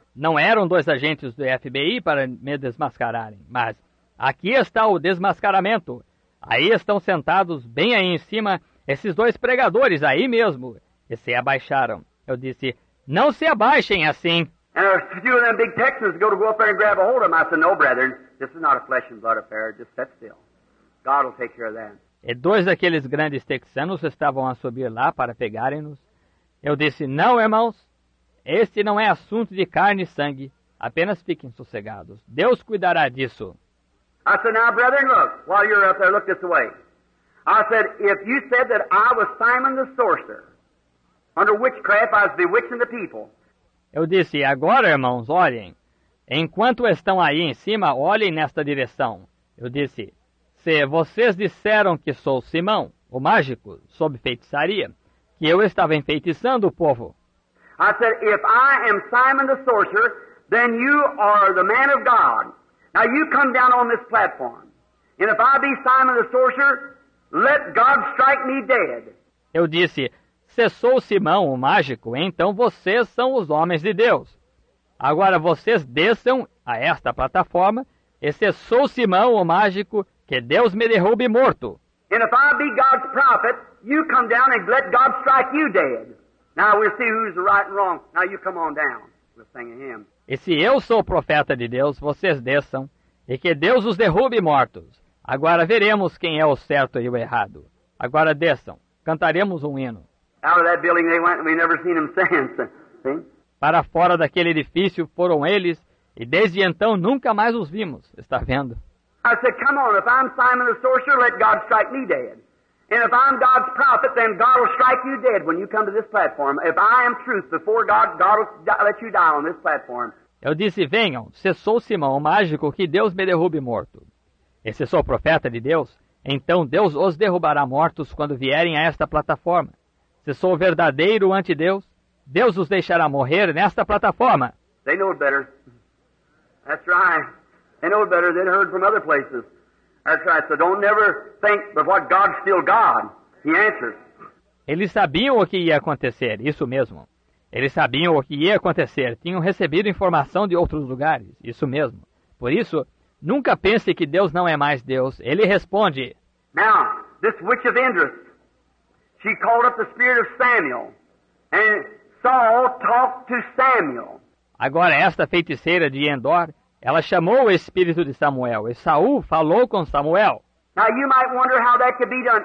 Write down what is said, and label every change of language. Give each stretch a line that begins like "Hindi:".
Portuguese: Não eram dois agentes do FBI para me desmascararem, mas aqui está o desmascaramento. Aí estão sentados bem aí em cima esses dois pregadores aí mesmo. E se abaixaram. Eu disse, não se abaixem assim.
English: And a few of them big Texans go up there and grab a hold of them. I said, no, brethren, this is not a flesh and blood affair. Just sit still. God will take care of them.
Portuguese: E dois daqueles grandes texanos estavam a subir lá para pegarem-nos. Eu disse, não, irmãos. Este não é assunto de carne e sangue. Apenas fiquem sossegados. Deus cuidará disso.
English: I said, now, brethren, look. While you're up there, look this way. I said, if you said that I was Simon the sorcerer, under witchcraft I was bewitching the people.
Portuguese: Eu disse, agora, irmãos, olhem. Enquanto estão aí em cima, olhem nesta direção. Eu disse, se vocês disseram que sou Simão, o mágico, sob feitiçaria, que eu estava enfeitiçando o povo.
English: I said, if I am Simon the sorcerer, then you are the man of God. Now you come down on this platform. And if I be Simon the sorcerer, let God strike me dead.
Portuguese: Eu disse, se sou Simão, o mágico, então vocês são os homens de Deus. Agora vocês desçam a esta plataforma, e se sou Simão, o mágico, que Deus me derrube morto.
English: And if I be God's prophet, you come down and let God strike you dead. Now we'll see who's right and wrong. Now you come on down. We'll sing a hymn.
Portuguese: E se eu sou profeta de Deus, vocês desçam, e que Deus os derrube mortos. Agora veremos quem é o certo e o errado. Agora desçam. Cantaremos um hino.
English: Out of that building they went and we never seen them since.
Portuguese: Para fora daquele edifício foram eles, e desde então nunca mais os vimos. Está vendo?
English: I said, come on, if I'm Simon the sorcerer, let God strike me dead. And if I'm God's prophet, then God will strike you dead when you come to this platform. If I am truth before God, God will let you die on this platform.
Portuguese: Eu disse, venham, se sou Simão, o mágico, que Deus me derrube morto. E se sou profeta de Deus, então Deus os derrubará mortos quando vierem a esta plataforma. Se sou verdadeiro ante Deus, Deus os deixará morrer nesta plataforma.
English: They know better. That's right. They know better. They heard from other places. That's right. So don't never think that what God's still God. He answers.
Portuguese: Eles sabiam o que ia acontecer, isso mesmo. Eles sabiam o que ia acontecer, tinham recebido informação de outros lugares, isso mesmo. Por isso, nunca pense que Deus não é mais Deus. Ele responde.
English: Now, this witch of Endor, she called up the spirit of Samuel, and Saul talked to Samuel.
Portuguese: Agora, esta feiticeira de Endor, ela chamou o espírito de Samuel, e Saul falou com Samuel.
English: Now, you might wonder how that could be done.